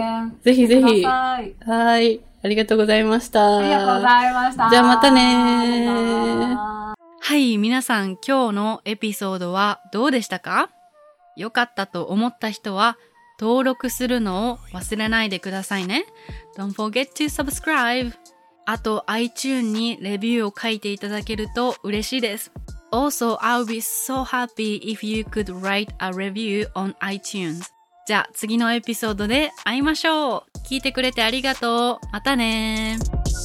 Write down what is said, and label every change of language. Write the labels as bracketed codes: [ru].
[ja] はい。ぜひぜひ。はい。ありがとうございました。ありがとうございました。じゃあまたね。はい。皆さん、今日のエピソードはどうでしたか？よかったと思った人は、登録するのを忘れないでくださいね。 [en] Don't forget to subscribe! [ja] あと iTunes にレビューを書いていただけると嬉しいです。 [en] Also, I'll be so happy if you could write a review on iTunes. [ja] じゃあ次のエピソードで会いましょう。聞いてくれてありがとう。またねー。